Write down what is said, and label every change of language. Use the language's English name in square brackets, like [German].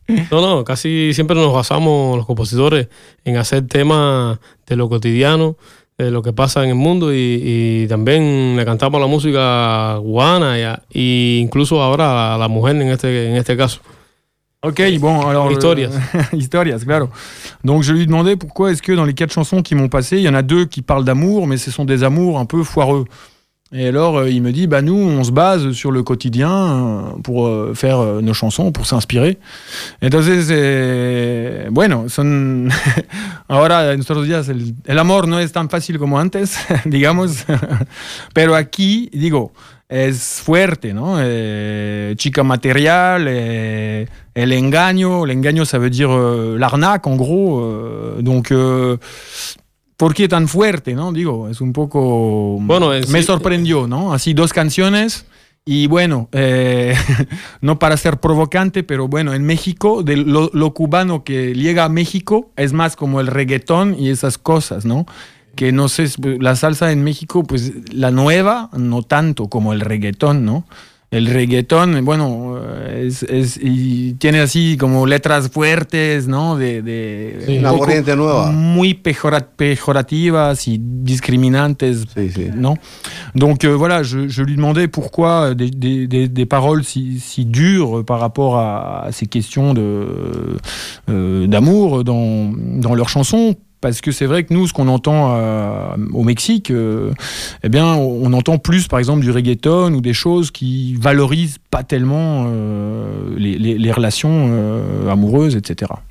[Spanish] No, no, casi siempre nos basamos los compositores en hacer temas de lo cotidiano, de lo que pasa en el mundo y también le cantamos la música cubana e incluso ahora a la mujer en este caso. [French] Ok, bon, alors... [Spanish] Historias. Historias, claro. [French] Donc je lui demandais pourquoi est-ce que dans les quatre chansons qui m'ont passé, il y en a deux qui parlent d'amour, mais ce sont des amours un peu foireux. Et alors, il me dit, bah, nous, on se base sur le quotidien pour faire nos chansons, pour s'inspirer. [Spanish] Entonces, bueno, son... ahora, en nuestros días, el amor no es tan fácil como antes, digamos. Pero aquí, digo, es fuerte, ¿no? Chica Material, el engaño. [French] El engaño, ça veut dire l'arnaque, en gros. [Spanish] Donc... ¿Por qué tan fuerte, no? Digo, es un poco... Bueno, me sorprendió, ¿no? Así, dos canciones y bueno, no para ser provocante, pero bueno, en México, de lo cubano que llega a México es más como el reggaetón y esas cosas, ¿no? Que no sé, la salsa en México, pues la nueva, no tanto como el reggaetón, ¿no? El reggaetón, bueno, es y tiene así como letras fuertes, ¿no? De sí, la corriente nueva. Muy pejorativas y discriminantes, sí, sí. ¿No? [French] Donc voilà, je lui demandais pourquoi des paroles si dures par rapport à ces questions de d'amour dans leurs chansons. Parce que c'est vrai que nous, ce qu'on entend au Mexique, eh bien, on entend plus, par exemple, du reggaeton ou des choses qui valorisent pas tellement les relations amoureuses, etc.